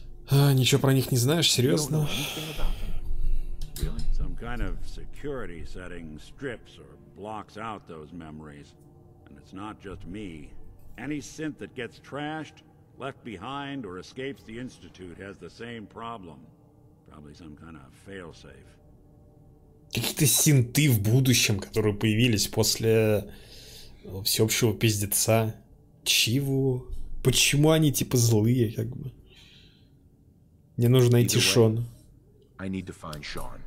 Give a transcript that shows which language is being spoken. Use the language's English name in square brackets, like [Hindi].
[Russian] Ничего про них не знаешь, серьезно? [English] Some kind of security setting strips or blocks out those memories, and it's not just me. Any synth that gets trashed, left behind or escapes the institute has the same problem. Probably some kind of failsafe. [Russian] Какие-то синты в будущем, которые появились после всеобщего пиздеца. Чего? Почему они типа злые, как бы? Мне нужно найти Шона. [English] I need to find Sean.